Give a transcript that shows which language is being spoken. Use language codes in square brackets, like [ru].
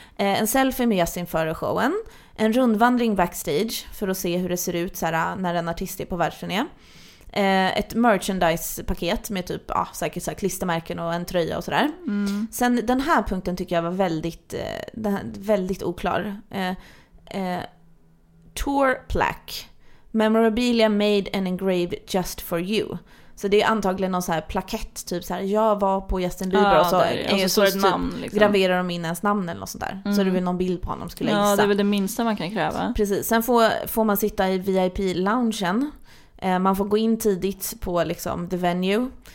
[sv] En selfie med Justin före showen. En rundvandring backstage för att se hur det ser ut så här, när en artist är på världsturné. Ett merchandise-paket med typ säkert så här klistermärken och en tröja och sådär. Sen den här punkten tycker jag var väldigt, väldigt oklar. [en] Tour plaque, memorabilia made and engraved just for you. [sv] Så det är antagligen någon så här plakett, typ så här, jag var på Justin Bieber och så, alltså, så typ, namn, liksom. Graverar de in ens namn eller något sånt där. Så det är väl någon bild på honom skulle jag gissa. Ja, det är väl det minsta man kan kräva. Precis, sen får man sitta i VIP-loungen. Man får gå in tidigt på liksom, [en] the venue.